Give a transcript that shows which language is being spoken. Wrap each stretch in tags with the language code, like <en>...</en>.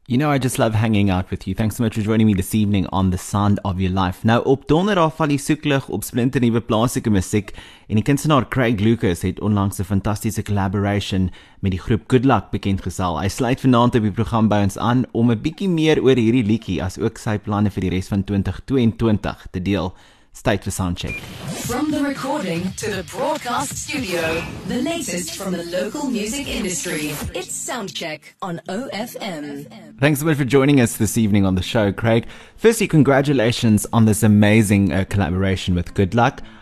<en>You know, I just love hanging out with you. Thanks so much for joining me this evening on The Sound of Your Life.</en> <af>Nou, op donderdag val die soeklig op splinter nuwe plaaslike musiek en die kunstenaar Craig Lucas het onlangs 'n fantastiese collaboration met die groep GoodLuck bekend gestel. Hy sluit vanaand op die program by ons aan om 'n bietjie meer oor hierdie liedjie as ook sy planne vir die res van 2022 te deel.</af> <en>State for soundcheck. From the recording to the broadcast studio, the latest from the local music industry. It's soundcheck on OFM. Thanks so much for joining us this evening on the show, Craig. Firstly, congratulations on this amazing collaboration with GoodLuck.</en>